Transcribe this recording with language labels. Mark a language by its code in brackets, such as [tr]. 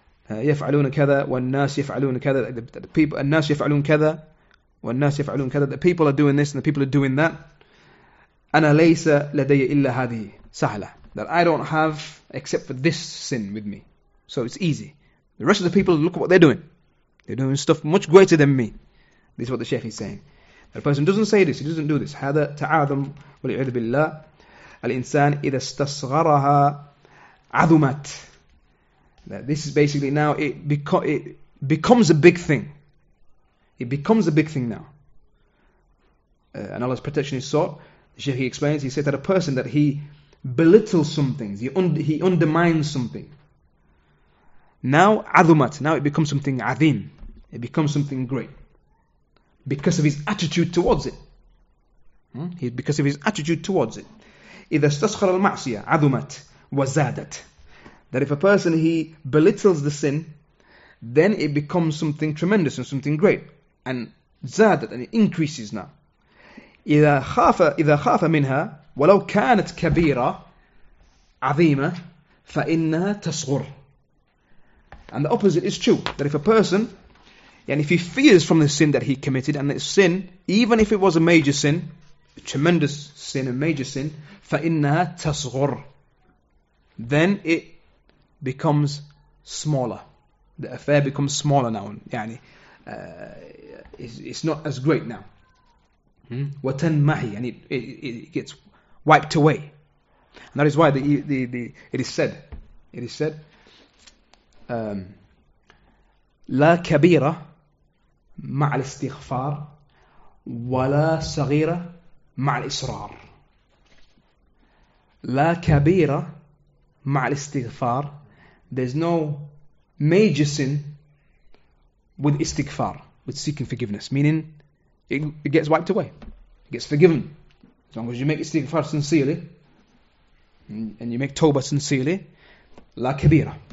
[ar] يفعلون كذا والناس يفعلون كذا, [en] the people, [ar] الناس يفعلون كذا والناس يفعلون كذا, [en] the people are doing this and the people are doing that. [ar] أنا ليس لدي إلا هذه سهلة, [en] that I don't have except for this sin with me, so it's easy. The rest of the people, look what they're doing stuff much greater than me. This is what the sheikh is saying. The person doesn't say this, he doesn't do this. [ar] هذا تعاظم والعياذ بالله. الإنسان إذا استصغرها عظمت. [en] That this is basically now, it becomes a big thing. It becomes a big thing now. And Allah's protection is sought. The Shaykh explains, he said that a person that he belittles something, he undermines something. Now, عظمت, now it becomes something عظيم. It becomes something great. Because of his attitude towards it. Because of his attitude towards it. [ar] إذا استصغر المعصية عظمت وزادت. [en] That if a person, he belittles the sin, then it becomes something tremendous and something great. And زادت, and it increases now. [ar] إذا خاف منها ولو كانت كبيرة عظيمة فإنها تصغر. [en] And the opposite is true. That if a person, and if he fears from the sin that he committed, and that sin, even if it was a major sin, a tremendous sin, a major sin, [ar] فَإِنَّهَا تَصْغُرْ, [en] then it becomes smaller. The affair becomes smaller now. يعني, it's not as great now. وَتَنْمَحِي, and it gets wiped away. And that is why it is said, [ar] لَا كَبِيرَ مع الاستغفار ولا صغيرة مع الإصرار. لا كبيرة مع الاستغفار. [en] There's no major sin with istighfar, with seeking forgiveness. Meaning, it gets wiped away. It gets forgiven. As long as you make istighfar sincerely, and you make tawbah sincerely, [ar] لا كبيرة.